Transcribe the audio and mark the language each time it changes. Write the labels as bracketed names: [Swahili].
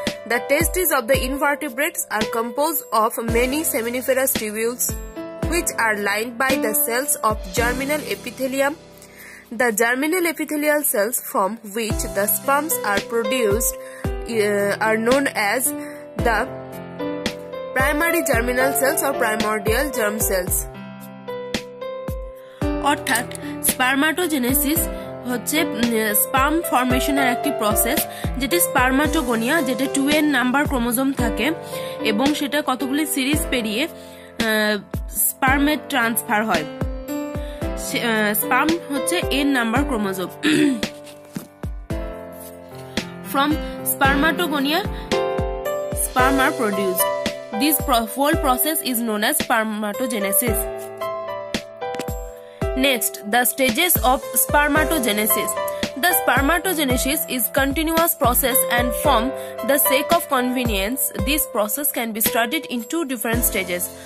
[English] The testes of the invertebrates are composed of many seminiferous tubules, which are lined by the cells of germinal epithelium. The germinal epithelial cells from which the sperms are produced are known as the primary germinal cells or primordial germ cells. [Bangla] অর্থাৎ spermatogenesis হচ্ছে sperm formationের একটি process, যেটি spermatogonia, যেটি 2n number chromosome থাকে এবং সেটা কতগুলি series পেরিয়ে spermate transfer হয়। Sperm হচ্ছে n number chromosome. [English] From spermatogonia, sperm are produced. This whole process is known as spermatogenesis. Next, the stages of spermatogenesis. The spermatogenesis is continuous process, and from the sake of convenience, this process can be studied in two different stages.